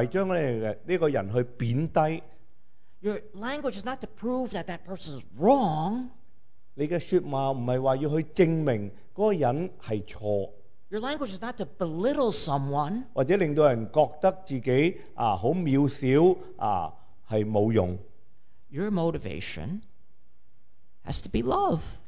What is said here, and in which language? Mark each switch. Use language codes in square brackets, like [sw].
[zh] 你说一些说话出来的时候,不要令到人家有这个鼓励性,不是将这个人去贬低。 [en] Your language is not to prove that that person is wrong. [zh] 你的说话不是说要去证明那个人是错。 [en] Your language is not to belittle someone. [zh] 或者令到人觉得自己很渺小,是没用。 [en] Your motivation has to be love.